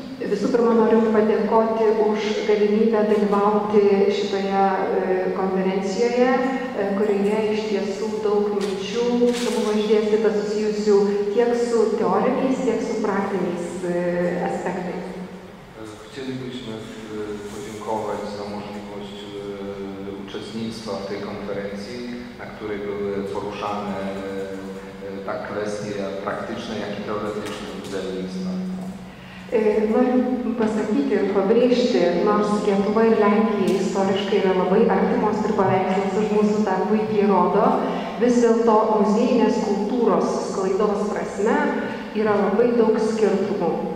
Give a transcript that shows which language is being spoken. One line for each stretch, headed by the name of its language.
Lithuanian: Visų pirma, noriu padėkoti už galimybę dalyvauti šitoje konferencijoje, kurioje iš tiesų daug minčių buvo išdėstyta susijusių tiek su teoriniais, tiek su praktiniais aspektais.
Polish: Chcielibyśmy podziękować za możliwość uczestnictwa w tej konferencji, na której były poruszane tak kwestie praktyczne, jak i teoretyczne uczelnictwa.
Lithuanian: Noriu pasakyti ir pabrėžti, nors Lietuva ir Lenkija istoriškai yra labai artimos ir paveikslas už mūsų dar puikiai rodo, vis dėlto muziejinės kultūros sklaidos prasme yra labai daug skirtumų.